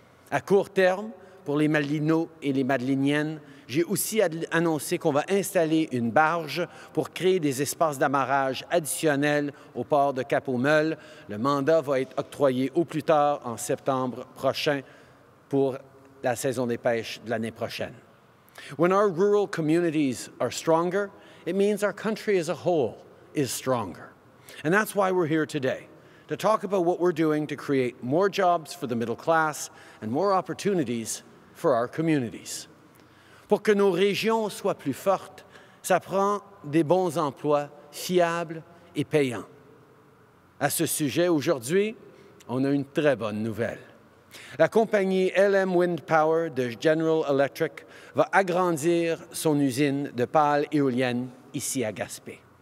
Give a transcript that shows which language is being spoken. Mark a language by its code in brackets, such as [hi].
[fr] À court terme, pour les Madelinots et les Madeliniennes, j'ai aussi annoncé qu'on va installer une barge pour créer des espaces d'amarrage additionnels au port de Cap-aux-Meules. Le mandat va être octroyé au plus tard en septembre prochain pour la saison des pêches de l'année prochaine. [en] When our rural communities are stronger, it means our country as a whole is stronger. And that's why we're here today, to talk about what we're doing to create more jobs for the middle class and more opportunities for our communities. [fr] Pour que nos régions soient plus fortes, ça prend des bons emplois fiables et payants. À ce sujet, aujourd'hui, on a une très bonne nouvelle. La compagnie LM Wind Power de General Electric va agrandir son usine de pales éoliennes ici à Gaspé.